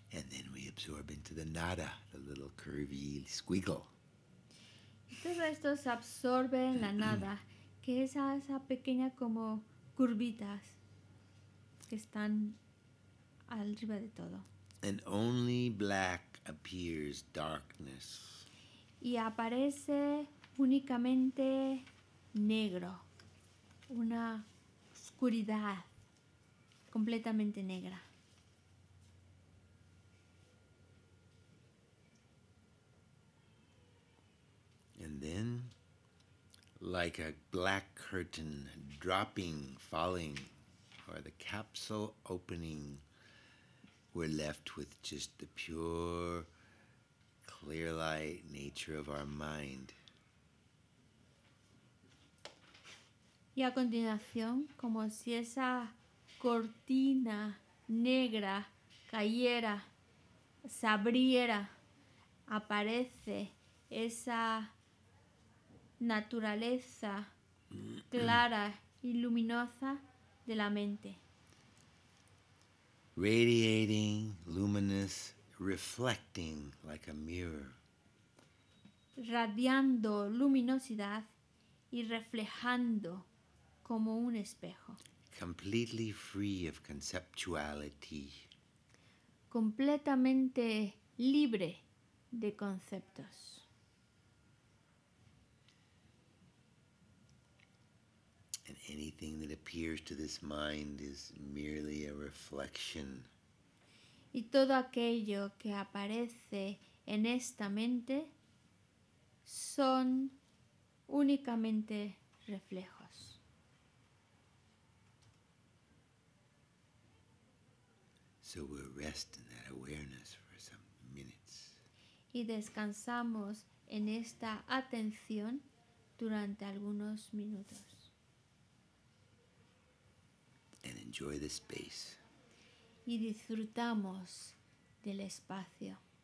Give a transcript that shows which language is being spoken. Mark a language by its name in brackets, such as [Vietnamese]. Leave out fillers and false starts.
[English] Then we absorb into the nada, the little curvy squiggle. [Spanish] Todo esto se absorbe en la nada, que es esa pequeña como curvitas que están arriba de todo. [English] And only black appears darkness. [Spanish] Y aparece únicamente negro, una oscuridad completamente negra. [English] And then, like a black curtain dropping, falling, or the capsule opening, we're left with just the pure, clear light nature of our mind. [Spanish] Y a continuación, como si esa cortina negra cayera, se abriera, aparece esa naturaleza clara y luminosa de la mente. [English] Radiating, luminous, reflecting like a mirror. [Spanish] Radiando luminosidad y reflejando como un espejo. [English] Completely free of conceptuality. [Spanish] Completamente libre de conceptos. [English] And anything that appears to this mind is merely a reflection. [Spanish] Y todo aquello que aparece en esta mente son únicamente reflejos. [English] So we'll rest in that awareness for some minutes. [Spanish] Y descansamos en esta atención durante algunos minutos. [English] And enjoy the space. [Spanish] Y disfrutamos del espacio.